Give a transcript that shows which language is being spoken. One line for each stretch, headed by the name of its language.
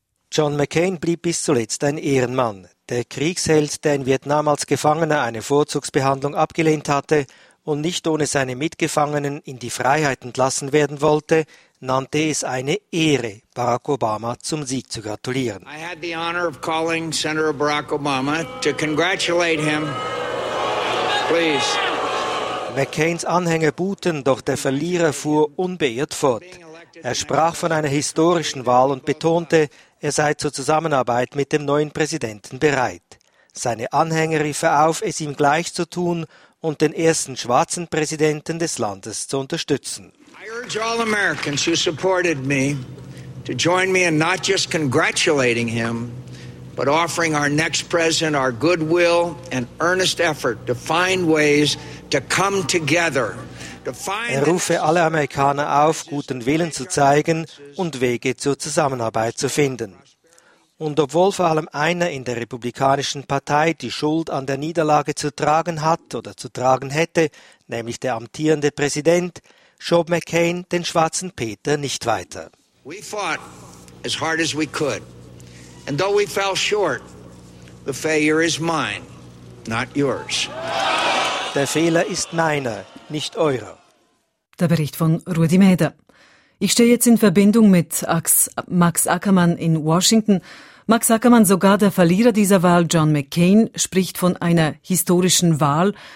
German: John McCain blieb bis zuletzt ein Ehrenmann. Der Kriegsheld, der in Vietnam als Gefangener eine Vorzugsbehandlung abgelehnt hatte und nicht ohne seine Mitgefangenen in die Freiheit entlassen werden wollte, nannte es eine Ehre, Barack Obama zum Sieg zu gratulieren.
English: I had the honor of calling Senator Barack Obama to congratulate him. Please.
German: McCains Anhänger buhten, doch der Verlierer fuhr unbeirrt fort. Er sprach von einer historischen Wahl und betonte, er sei zur Zusammenarbeit mit dem neuen Präsidenten bereit. Seine Anhänger riefen auf, es ihm gleich zu tun und den ersten schwarzen Präsidenten des Landes zu unterstützen.
English: I urge all Americans who supported me to join me in not just congratulating him, but offering our next president our goodwill and earnest effort to find ways to come together.
German: Er rufe alle Amerikaner auf, guten Willen zu zeigen und Wege zur Zusammenarbeit zu finden. Und obwohl vor allem einer in der Republikanischen Partei die Schuld an der Niederlage zu tragen hat oder zu tragen hätte, nämlich der amtierende Präsident, schob McCain den schwarzen Peter nicht weiter.
English: We fought as hard as we could. And though we fell short, the failure is mine, not yours.
German: Der Fehler ist meiner, nicht eurer. Der Bericht von Rudi Meder. Ich stehe jetzt in Verbindung mit Max Ackermann in Washington. Max Ackermann, sogar der Verlierer dieser Wahl, John McCain, spricht von einer historischen Wahl.